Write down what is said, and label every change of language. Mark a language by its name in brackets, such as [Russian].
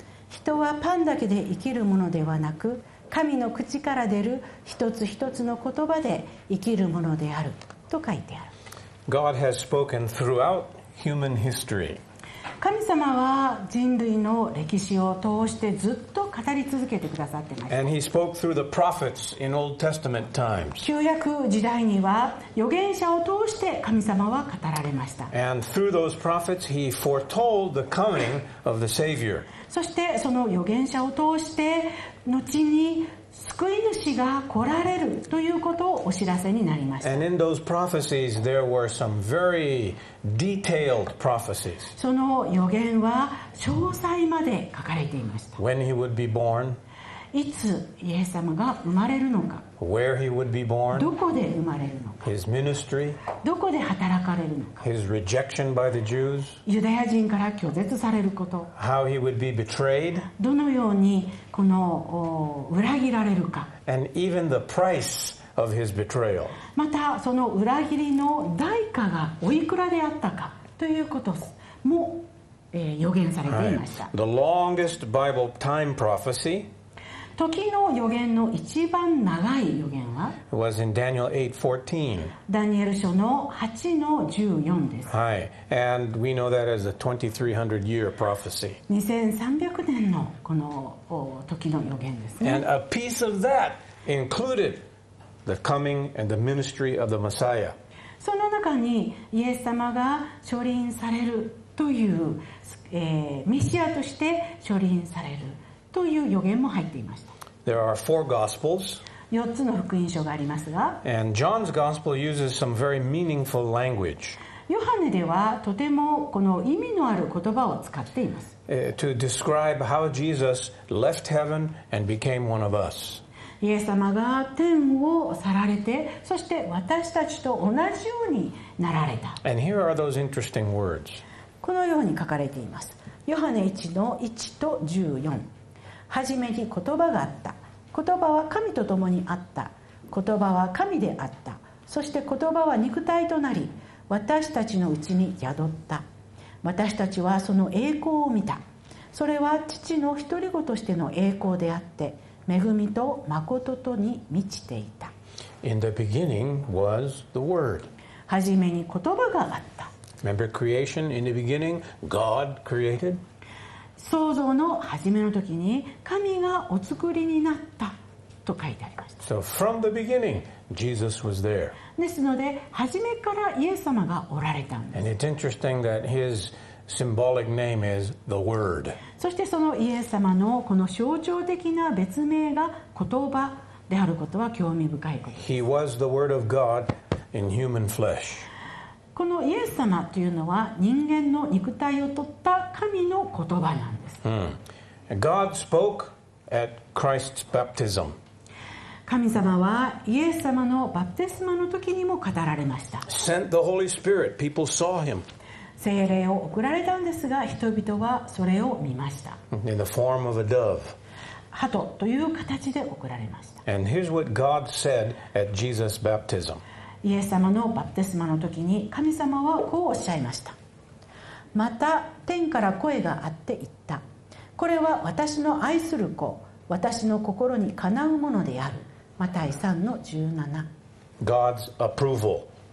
[Japanese] 人はパンだけで生きるものではなく、神の口から出る一つ一つの言葉で生きるものであると書いてある。 [English] God has spoken throughout human history. [Japanese] 神様は人類の歴史を通してずっと語り続けてくださってました。 [English] And he spoke through the prophets in Old Testament times. [Japanese] 旧約時代には預言者を通して神様は語られました。 [English] And through those prophets, he foretold the coming of the Savior. [Japanese] そしてその預言者を通して後に救い主が来られるということをお知らせになりました。 [English] And in those prophecies, there were some very detailed prophecies. [Japanese] その予言は詳細まで書かれていました。 [English] When he would be born? [Japanese] いつイエス様が生まれるのか。 [English] Where he would be born? [Japanese] どこで生まれるのか。 [English] His ministry? [Japanese] どこで働かれるのか。 [English] His rejection by the Jews? [Japanese] ユダヤ人から拒絶されること。 [English] How he would be betrayed? [Japanese] どのようにこの裏切られるか。 [English] And even the price of his betrayal. [Japanese] またその裏切りの代価がおいくらであったかということも、予言されていました。 [English] Right. The longest Bible time prophecy? [Japanese] 時の予言の一番長い予言は [English] was in Daniel 8:14. [Japanese] ダニエル書の 8-14 です。はい。 [English] And we know that as a 2300 year prophecy. [Japanese] 2300年のこの時の予言ですね。 [English] And a piece of that included the coming and the ministry of the Messiah. [Japanese] その中にイエス様が降臨されるという、メシアとして降臨されるという予言も入っていました。 [English] There are four gospels. [Japanese] 四つの福音書がありますが。 [English] And John's gospel uses some very meaningful language. [Japanese] ヨハネではとてもこの意味のある言葉を使っています。 [English] To describe how Jesus left heaven and became one of us. [Japanese] イエス様が天を去られて、そして私たちと同じようになられた。 [English] And here are those interesting words. [Japanese] このように書かれています。ヨハネ1-1-14。はじめに言葉があった。言葉は神と共にあった。言葉は神であった。そして言葉は肉体となり、私たちのうちに宿った。私たちはその栄光を見た。それは父の独り子としての栄光であって、恵みと誠とに満ちていた。 [English] In the beginning was the word. [Japanese] はじめに言葉があった。 [English] Remember creation? In the beginning, God created? [Japanese] 創造の初めの時に神がお作りになったと書いてありました。 [English] So from the beginning, Jesus was there. [Japanese] ですので初めからイエス様がおられたんです。 [English] And it's interesting that his symbolic name is the Word. [Japanese] そしてそのイエス様のこの象徴的な別名が言葉であることは興味深いことです。 [English] He was the Word of God in human flesh. [Japanese] このイエス様というのは人間の肉体を取った神の言葉なんです。 [English] Mm. God spoke at Christ's baptism. [Japanese] 神様はイエス様のバプテスマの時にも語られました。 [English] Sent the Holy Spirit. People saw him. [Japanese] 聖霊を送られたんですが、人々はそれを見ました。 [English] In the form of a dove. [Japanese] 鳩という形で送られました。 [English] And here's what God said at Jesus' baptism. [Japanese] イエス様のバプテスマの時に神様はこうおっしゃいました。また天から声があって言った。これは私の愛する子、私の心にかなうものである。マタイ 3-17。 [English] God's approval.